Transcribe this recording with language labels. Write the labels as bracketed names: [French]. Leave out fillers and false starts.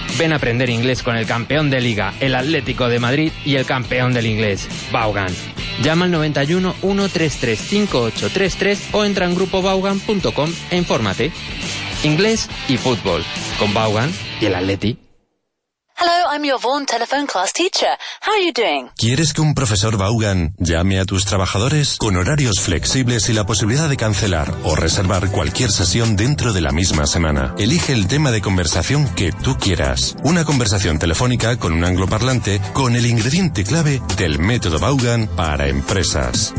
[Spanish] Ven a aprender inglés con el campeón de liga, el Atlético de Madrid, y el campeón del inglés, Vaughan. Llama al 91-133-5833 o entra en grupovaughan.com e infórmate. Inglés y fútbol, con Vaughan y el Atleti. [English] Hello, I'm your Vaughan telephone class teacher. How are you doing? [Spanish] ¿Quieres que un profesor Vaughan llame a tus trabajadores? Con horarios flexibles y la posibilidad de cancelar o reservar cualquier sesión dentro de la misma semana. Elige el tema de conversación que tú quieras. Una conversación telefónica con un angloparlante con el ingrediente clave del método Vaughan para empresas.